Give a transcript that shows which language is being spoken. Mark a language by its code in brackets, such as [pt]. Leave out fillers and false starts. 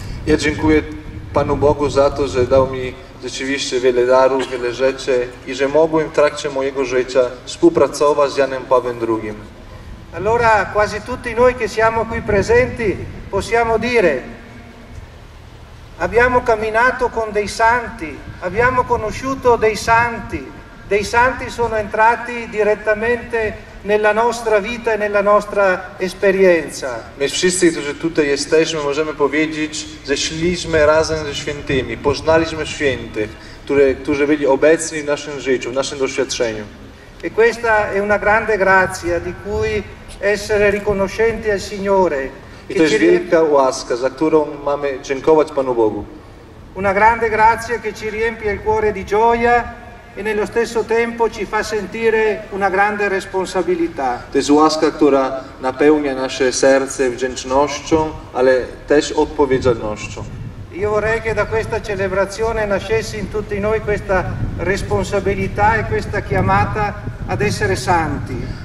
[pl] Ja dziękuję Panu Bogu za to, że dał mi rzeczywiście wiele darów, wiele rzeczy i że mogłem w trakcie mojego życia współpracować z Janem Pawłem II. [it] Allora, quasi tutti noi che siamo qui presenti possiamo dire abbiamo camminato con dei santi, abbiamo conosciuto dei santi sono entrati direttamente nella nostra vita e nella nostra esperienza. [pl] My wszyscy, którzy tutaj jesteśmy, możemy powiedzieć, że szliśmy razem ze świętymi, poznaliśmy świętych, którzy byli obecni w naszym życiu, w naszym doświadczeniu. [it] E questa è una grande grazia di cui essere riconoscenti al Signore. [pl] I to jest wielka łaska, za którą mamy dziękować Panu Bogu. [it] Una grande grazia che ci riempie il cuore di gioia e nello stesso tempo ci fa sentire una grande responsabilità. [pl] To jest łaska, która napełnia nasze serce wdzięcznością, ale też odpowiedzialnością. [it] Io vorrei che da questa celebrazione nascesse in tutti noi questa responsabilità e questa chiamata ad essere santi.